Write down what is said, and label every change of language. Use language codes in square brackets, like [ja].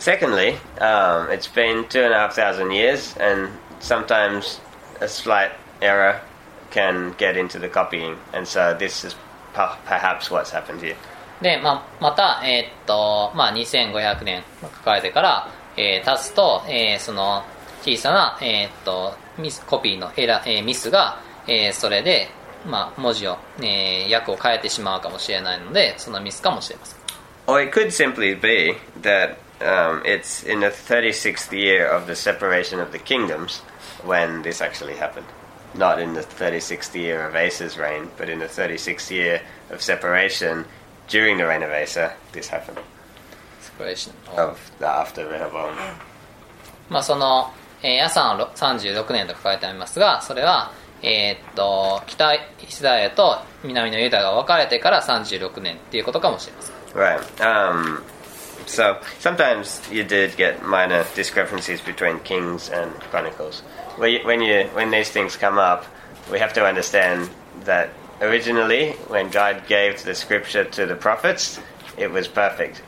[en] Secondly, it's been 2,500 years and sometimes a slight error can get into the copying, and so this is perhaps what's happened here. [ja] で、まあ、また、まあ、2500年書かれてから、経つと、その小さな、ミスコピーのエラ、ミスが、それで、まあ、文字を、訳を変えてしまうかもしれないので、そのミスかもしれません。 [en] Or it could simply be that, it's in the 36th year of the separation of the kingdoms when this actually happened. Not in the 36th year of Asa's reign, but in the 36th year of separation during the reign of Asa, this happened. Separation of the after Rehoboam. [ja] まあ、その、アサの36年と書かれてありますが、それは、北イスラエルと南のユダが分かれてから36年っていうことかもしれません。 [en] Right. So sometimes you did get minor discrepancies between Kings and Chronicles. When these things come up, we have to understand that originally, when God gave the scripture to the prophets, it was perfect.